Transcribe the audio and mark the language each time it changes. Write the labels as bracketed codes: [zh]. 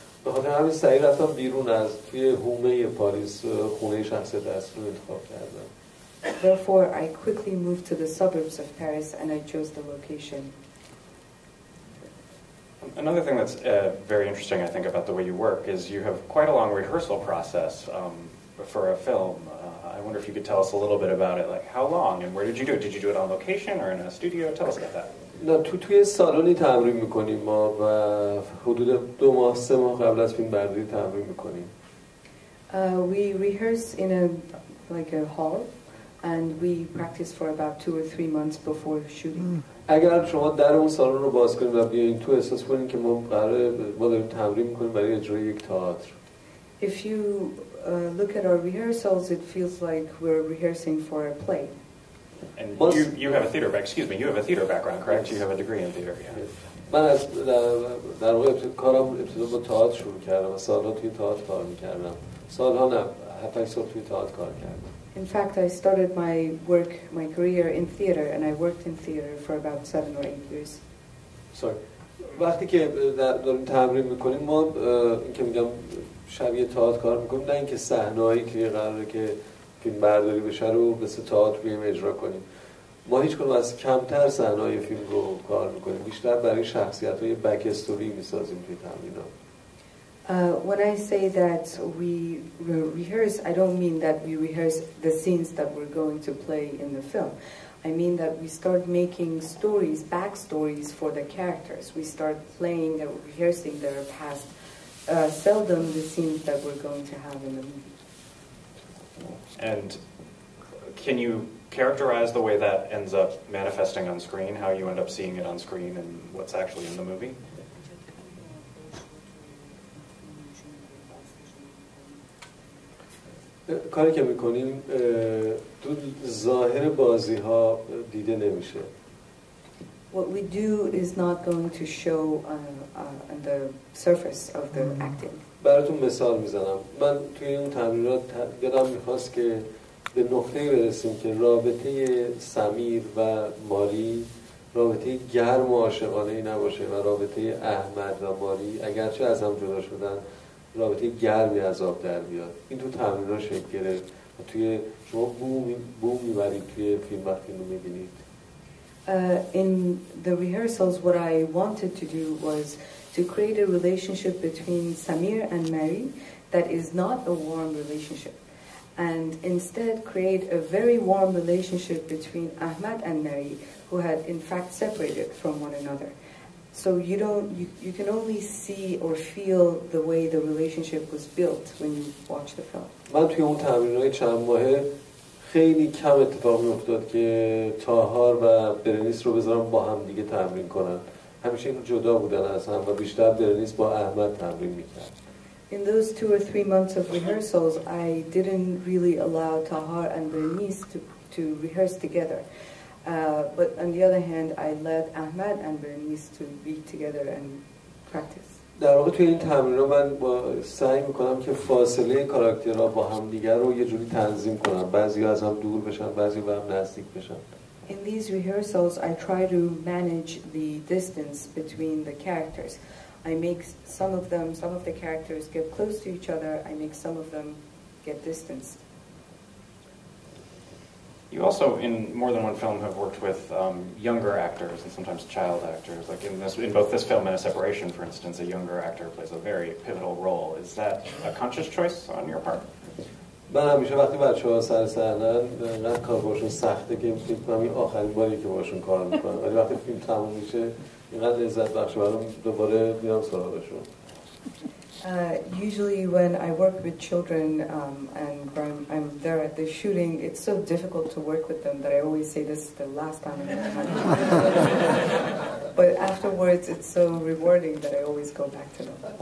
[fa] بخاطر همین سعی رفتم بیرون از توی حومه پاریس خونه شخص دست رو انتخاب کردم. [en] Therefore, I quickly moved to the suburbs of Paris and I chose the location. Another thing that's very interesting, I think, about the way you work is you have quite a long rehearsal process for a film. I wonder if you could tell us a little bit about it, like how long and where did you do it? Did you do it on location or in a studio? Tell us about that. No, [fa] توی سالونی تمرین میکنیم ما و حدود دو ماه سه ماه قبل از فیلم برداری تمرین میکنیم. [en] We rehearse in a hall and we practice for about 2 or 3 months before shooting. [fa] اگر شما در اون سالن رو باز کنید و بیاین تو، احساس کنید که ما داریم تمرین میکنیم برای اجرای یک تئاتر. [en] If you look at our rehearsals, it feels like we're rehearsing for a play. And you have a theater back. Excuse me, you have a theater background, correct? You have a degree in theater. Yeah. [fa] من از در واقع کارم ابتدا با تئاتر شروع کردم. سالها توی تئاتر کار میکردم. سالها نه، 7-8 سال توی تئاتر کار کردم. [en] In fact, I started my career in theater, and I worked in theater for about 7 or 8 years. [fa] وقتی که داریم تمرین میکنیم ما اینکه میگم شبیه تئاتر کار میکنیم، نه اینکه صحنه‌ای که قراره که فیلم برداری بشه رو مثل تئاتر بیایم اجرا کنیم. ما هیچ کدوم از کمتر صحنه‌های فیلم رو کار میکنیم، بیشتر برای شخصیت‌های بک استوری میسازیم توی تمرین‌ها. [en] When I say that we rehearse, I don't mean that we rehearse the scenes that we're going to play in the film. I mean that we start making stories, backstories for the characters. We start playing and rehearsing their past, seldom the scenes that we're going to have in the movie. And can you characterize the way that ends up manifesting on screen, how you end up seeing it on screen and what's actually in the movie? [fa] کاری که میکنیم تو ظاهر بازی ها دیده نمیشه. [en] What we do is not going to show on the surface of the acting. [fa] براتون مثال میزنم. من توی اون تمرینات دلم میخواست که به نقطه برسیم که رابطه سمیر و ماری رابطه گرم و عاشقانه ای نباشه و رابطه احمد و ماری اگرچه از هم جدا شدن رابطه گرمی از آب در بیاد. این تو تمرین ها شکل گرفت و توی شما بوم میبرید توی فیلم وقتی رو میبینید. [en] In the rehearsals, what I wanted to do was to create a relationship between Samir and Mary that is not a warm relationship, and instead create a very warm relationship between Ahmad and Mary, who had in fact separated from one another. So you can only see or feel the way the relationship was built when you watch the film. [fa] من توی اون تمرین‌های چند ماهه خیلی کم اتفاق می‌افتاد که تاهار و برنیس رو بذارم با هم دیگه تمرین کنن. همیشه اینو جدا بودن از هم و بیشتر برنیس با احمد تمرین می‌کرد. [en] In those 2 or 3 months of rehearsals, I didn't really allow Tahar and Berenice to rehearse together. But on the other hand, I led Ahmad and Berenice to be together and practice. [fa] در واقع توی این تمرین رو من سعی میکنم که فاصله کاراکترها با هم دیگر رو یه جوری تنظیم کنم. بعضی از هم دور بشن، بعضی با هم نزدیک بشن. [en] In these rehearsals, I try to manage the distance between the characters. I make some of the characters get close to each other. I make some of them get distanced. You also, in more than one film, have worked with younger actors and sometimes child actors. Like in both this film and A Separation, for instance, a younger actor plays a very pivotal role. Is that a conscious choice on your part? [fa] من همیشه وقتی بچه ها سر صحنن انقدر کار باشون سخته که فکر کنم این آخرین باری که باشون کار میکنم، ولی وقتی فیلم تموم میشه اینقدر لذت بخش برام دوباره میام سراغشون. [en] Usually when I work with children and I'm there at the shooting, it's so difficult to work with them that I always say this is the last time I'm going to have. But afterwards, it's so rewarding that I always go back to them.